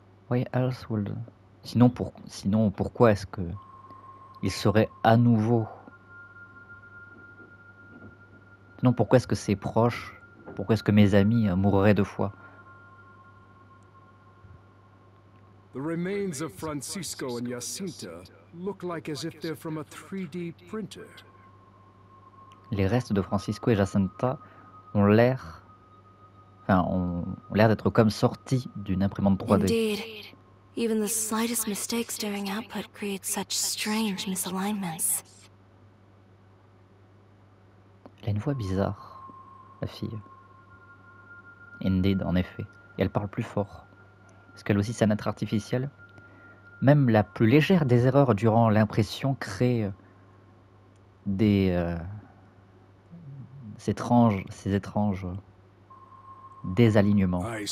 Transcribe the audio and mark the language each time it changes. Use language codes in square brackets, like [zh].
[en] Why else would... [fr] Sinon, pourquoi est-ce que... Ils seraient à nouveau... Sinon, pourquoi est-ce que ses proches... Pourquoi est-ce que mes amis mourraient deux fois? [en] The remains of Francisco and Jacinta look like as if they're from a 3D printer. [fr] Les restes de Francisco et Jacinta ont l'air, enfin, ont l'air d'être comme sortis d'une imprimante 3D. [en] Indeed, even the slightest mistakes during output create such strange misalignments. [fr] Elle a une voix bizarre, la fille. [en] Indeed, [fr] en effet, et elle parle plus fort. Est-ce qu'elle aussi c'est un être artificiel? Même la plus légère des erreurs durant l'impression crée des ces étranges désalignements.